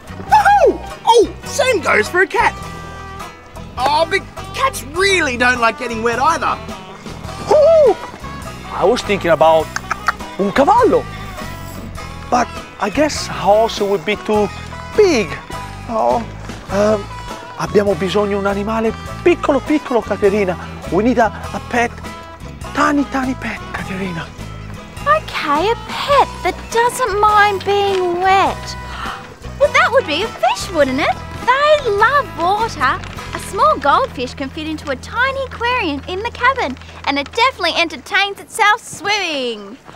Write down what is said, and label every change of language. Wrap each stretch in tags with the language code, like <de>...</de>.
<en>Woohoo! Oh, same goes for a cat. Oh, big... Cats really don't like getting wet either. Woo-hoo! I was thinking about</en> <it>un cavallo.</it> <en>But I guess a horse would be too big.</en> <it>Oh, abbiamo bisogno un animale piccolo, piccolo, Caterina.</it> <en>We need a pet, tiny, tiny pet, Caterina. Okay, a pet that doesn't mind being wet. Well, that would be a fish, wouldn't it? They love water. small goldfish can fit into a tiny aquarium in the cabin, and it definitely entertains itself swimming.</en>